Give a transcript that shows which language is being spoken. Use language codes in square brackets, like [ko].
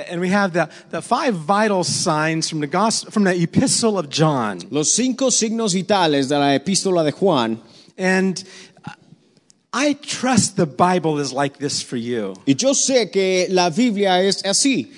[en] And we have the five vital signs from the gospel, from the epistle of John. [es] Los cinco signos vitales de la epístola de Juan. [en] And I trust the Bible is like this for you. [es] Y yo sé que la Biblia es así.